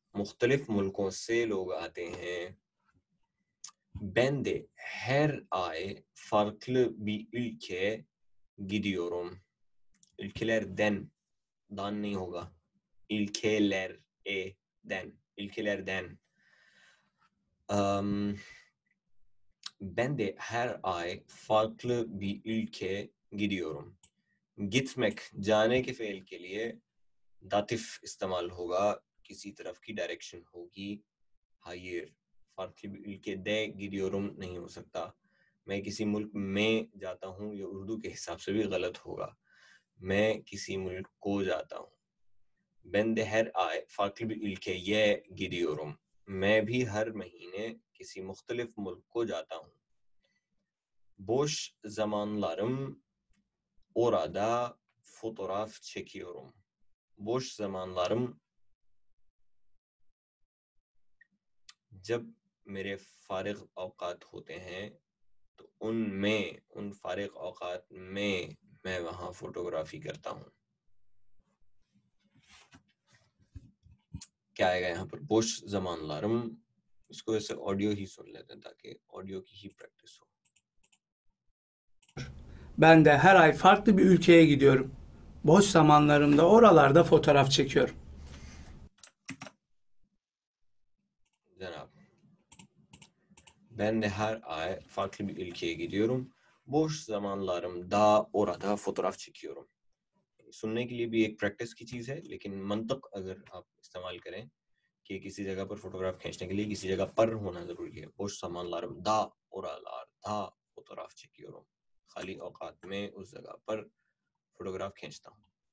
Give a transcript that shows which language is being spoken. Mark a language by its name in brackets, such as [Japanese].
[Hindi] Mukhtalif mulkon se log aate hain. [Turkish] Ben de her ay farklı bir ülke gidiyorum. Ülkelerden dan ne hoga? Ülkeler e den. Ülkelerden. Ben de her ay farklı bir ülke gidiyorum. [Hindi] Gitmek जाने के फ़ैल के लिए datif इस्तेमाल होगा, किसी तरफ की direction होगी. [Turkish] Hayır, farklı bir ülkede gidiyorum [Hindi] नहीं हो सकता. मैं किसी मुल्क में जाता हूँ, ये उर्दू के हिसाब से भी गलत होगा. मैं किसी मुल्क को जाता हूँ. Ben de her ay farklı bir ülkeye gidiyorum. मैं भी हर महीने किसी मुख्तलिफ मुल्क को जाता हूँ. [Turkish] Boş zamanlarım orada fotoğraf çekiyorum. Boş zamanlarım [Hindi] जब मेरे फारिग अवकात होते हैं, तो उनमें, उन फारिग अवकात में मैं वहां फोटोग्राफी करता हूं. क्या आएगा यहाँ पर? बोश जमानलारम. इसको ऐसे ऑडियो ही सुन लेते हैं ताकि ऑडियो की ही प्रैक्टिस हो. [Turkish] Ben de her ay farklı bir ülkeye gidiyorum. Boş zamanlarımda oralarda fotoğraf çekiyorum. Ben de her ay farklı bir ülkeye gidiyorum. Boş zamanlarımda orada fotoğraf çekiyorum. [Hindi] सुनने के लिए भी एक प्रैक्टिस की चीज है, लेकिन मंतक अगर आप इस्तेमाल करें कि किसी जगह पर फोटोग्राफ खींचने के लिए किसी जगह पर होना जरूरी है. [Turkish] बोश सामानलारम दा ओरालार दा फोटोग्राफ चेकियोरम. [Hindi] खाली औकात में उस जगह पर फोटोग्राफ खींचता हूँ.